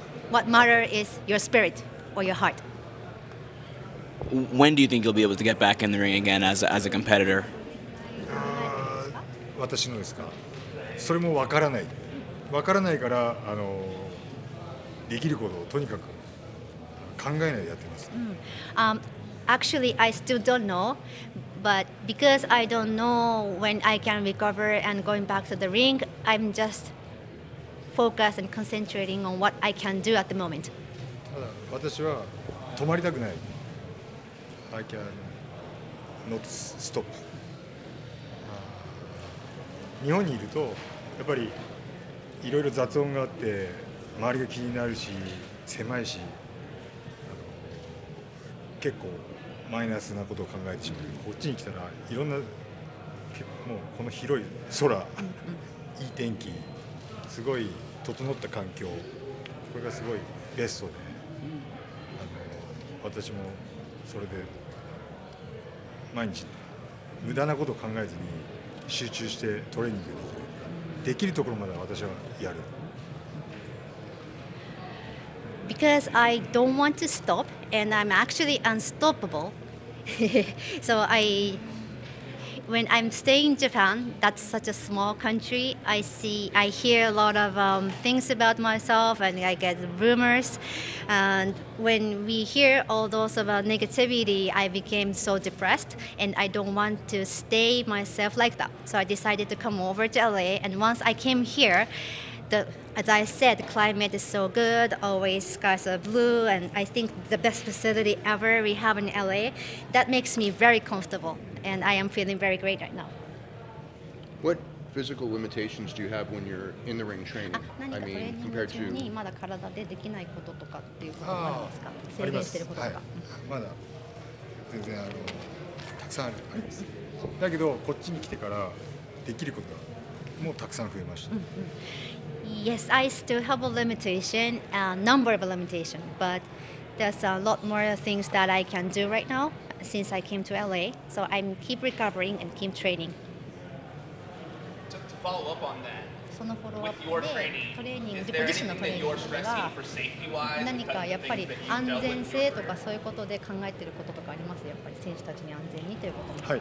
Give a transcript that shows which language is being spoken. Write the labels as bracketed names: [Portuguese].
[English] What matter is your spirit or your heart? When do you think you'll be able to get back in the ring again as a competitor? [Japanese] 私のですか。それもわからない。わからないからできることをとにかく考えないでやってます。 [English] Actually, I still don't know. But because I don't know when I can recover and going back to the ring, I'm just focused and concentrating on what I can do at the moment. [Japanese] ただ私は止まりたくない。 [English] I can not stop. [Japanese] 日本にいるとやっぱりいろいろ雑音があって周りが気になるし狭いし結構マイナスなことを考えてしまう。こっちに来たらいろんなもうこの広い空、いい天気、すごい整った環境、これがすごいベストで、私もそれで毎日無駄なことを考えずに集中してトレーニングできる。できるところまで私はやる。 [English] Because I don't want to stop, and I'm actually unstoppable. So when I'm staying in Japan, that's such a small country. I hear a lot of things about myself, and I get rumors. And when we hear all those about negativity, I became so depressed, and I don't want to stay myself like that. So I decided to come over to LA. And once I came here. As I said, the climate is so good, always skies are blue, and I think the best facility ever we have in LA. That makes me very comfortable, and I am feeling very great right now. What physical limitations do you have when you're in the ring training? I mean, compared to... [Japanese] まだ体でできないこととかっていうことがあるんですか?制限してることとか。はい。まだ全然たくさんあります。だけど、こっちに来てからできることがもうたくさん増えました。 [English] Yes, I still have a limitation, a number of limitations, but there's a lot more things that I can do right now since I came to LA. So I keep recovering and keep training. To follow up on that, [Japanese] その [English] with your training, is there anything that you're stressing for safety-wise? [Japanese] 何かやっぱり安全性とかそういうことで考えてることとかありますやっぱり選手たちに安全にということも